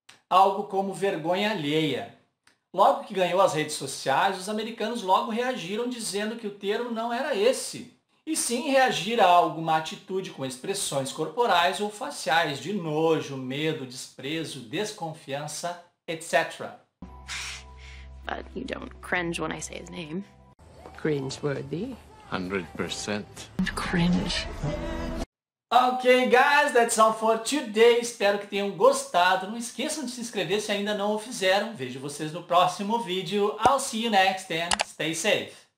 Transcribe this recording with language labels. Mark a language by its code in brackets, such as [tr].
[pt] Algo como vergonha alheia. Logo que ganhou as redes sociais, os americanos logo reagiram dizendo que o termo não era esse. E sim reagir a alguma atitude com expressões corporais ou faciais de nojo, medo, desprezo, desconfiança, etc. [en] But you don't cringe when I say his name. Cringe-worthy. 100%. Cringe. Ok, guys, that's all for today. [pt] Espero que tenham gostado. Não esqueçam de se inscrever se ainda não o fizeram. Vejo vocês no próximo vídeo. [en] I'll see you next and stay safe.